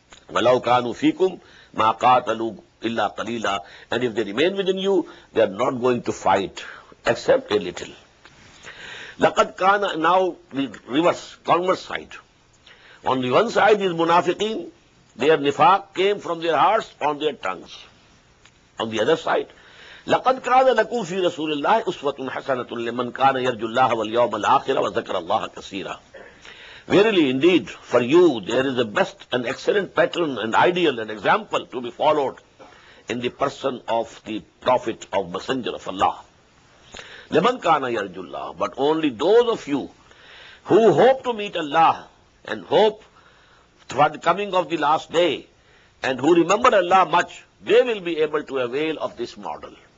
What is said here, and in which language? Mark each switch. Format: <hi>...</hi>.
<ar>وَلَوْ كَانُوا فِيكُمْ مَا قَاتَلُوا إِلَّا قَلِيلًا.</ar> <en>And if they remain within you, they are not going to fight except a little. لقد كان. Now the reverse, converse side. On the one side is munafiqeen, their nifaq came from their hearts on their tongues.</en> <ar>On the other side, لقد كان لكم في رسول الله أسوة حسنة لمن كان يرجو الله واليوم الآخر وذكر الله كثيرا.</ar> <en>Verily indeed, for you there is a best and excellent pattern and ideal and example to be followed in the person of the Prophet of Messenger of Allah.</en> <ar>لمن كان يرجو الله.</ar> <en>But only those of you who hope to meet Allah and hope for the coming of the last day and who remember Allah much, they will be able to avail of this model.</en>